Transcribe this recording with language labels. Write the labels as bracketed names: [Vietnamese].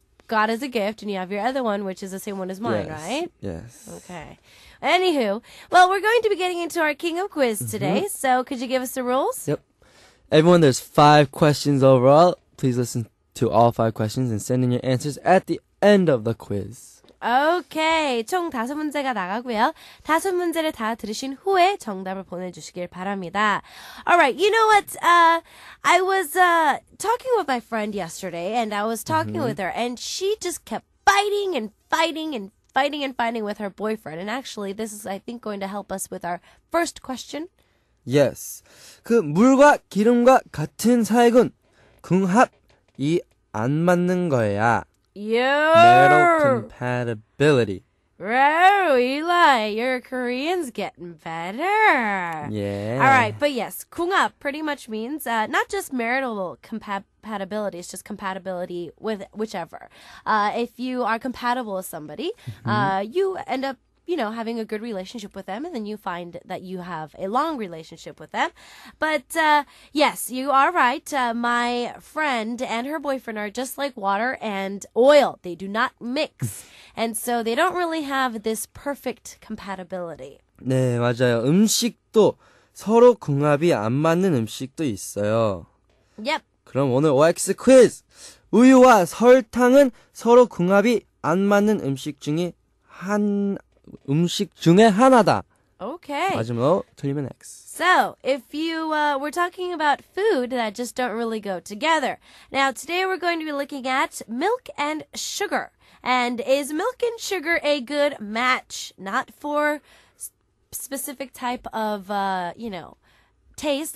[English] got as a gift, and you have your other one, which is the same one as mine, yes. Right? Yes. Okay. Anywho, well, we're going to be getting into our King of Quiz today, mm-hmm. So could you give us the rules? Yep. Everyone, there's 5 questions overall. Please listen to all 5 questions and send in your answers at the end of the quiz. Okay. [Korean] 총 다섯 문제가 나가고요. 다섯 문제를 다 들으신 후에 정답을 보내주시길 바랍니다. [English] All right. You know what? I was talking with my friend yesterday, and I was talking mm-hmm. with her, and she just kept fighting and fighting and fighting and fighting with her boyfriend. And actually, this is, I think, going to help us with our first question. Yes. [Korean] 그 물과 기름과 같은 사이군 궁합이 안 맞는 거야. [English] Your metal compatibility. Wow, Eli, your Korean's getting better. Yeah. All right, but yes, 궁합 pretty much means not just marital compatibility, it's just compatibility with whichever. If you are compatible with somebody, you end up, you know, having a good relationship with them, and then you find that you have a long relationship with them. But yes, you are right. My friend and her boyfriend are just like water and oil. They do not mix. And so they don't really have this perfect compatibility. [Korean] 네, 맞아요. 음식도 서로 궁합이 안 맞는 음식도 있어요. [English] Yep. [Korean] 그럼 오늘 OX 퀴즈. 우유와 설탕은 서로 궁합이 안 맞는 음식 중에 한... 음식 중에 하나다. [English] Okay. [Korean] 마지막으로 틀리면 X. [English] So, if you were talking about food that just don't really go together. Now, today we're going to be looking at milk and sugar. And is milk and sugar a good match? Not for specific type of, you know, taste.